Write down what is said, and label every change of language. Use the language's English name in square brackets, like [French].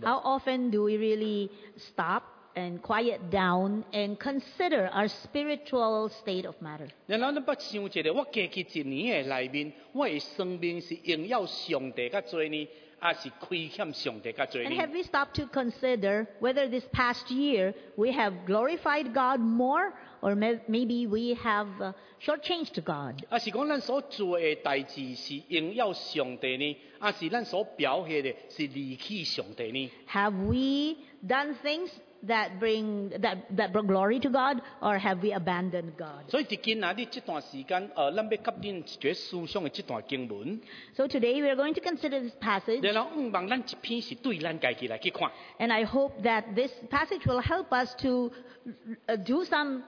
[English] How often do we really stop and quiet down and consider our spiritual state of matter? [Min Nan Chinese] 然后你不想一下，我过去一年的里面，我的生命是荣耀上帝较多呢，还是亏欠上帝较多呢？ [English] And have we stopped to consider whether this past year we have glorified God more, or maybe we have shortchanged God? [Min Nan Chinese] 还是讲咱所做的代志是荣耀上帝呢，还是咱所表现的是离弃上帝呢？ [English] Have we done things that brought glory to God, or have we abandoned God? So today we are going to consider this passage. And I hope that this passage will help us to do some